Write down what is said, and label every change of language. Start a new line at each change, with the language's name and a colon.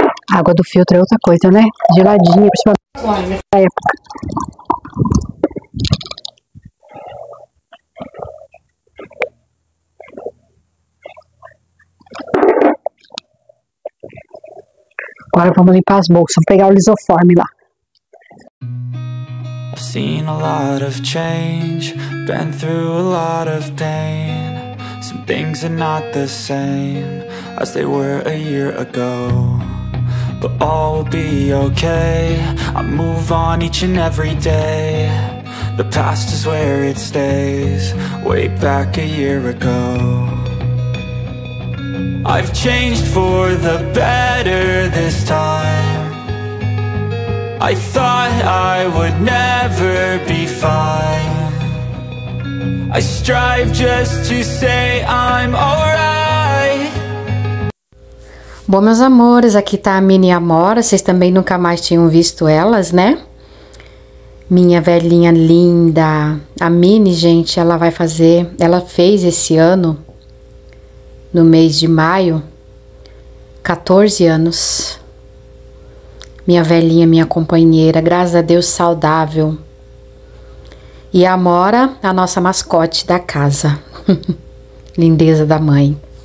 Portuguese: A água do filtro é outra coisa, né? Geladinha, principalmente. Agora vamos limpar as bolsas, vamos pegar o lisoforme lá.
English: I've seen a lot of change, been through a lot of pain. Some things are not the same as they were a year ago. But all will be okay, I move on each and every day. The past is where it stays, way back a year ago. I've changed for the better this time. I thought I would never be fine. I strive just to say I'm alright.
Portuguese: Bom, meus amores, aqui tá a Mini Amora. Vocês também nunca mais tinham visto elas, né? Minha velhinha linda. A Mini, gente, ela vai fazer. Ela fez esse ano, no mês de maio, 14 anos, minha velhinha, minha companheira, graças a Deus, saudável, e a Amora, a nossa mascote da casa, lindeza da mãe.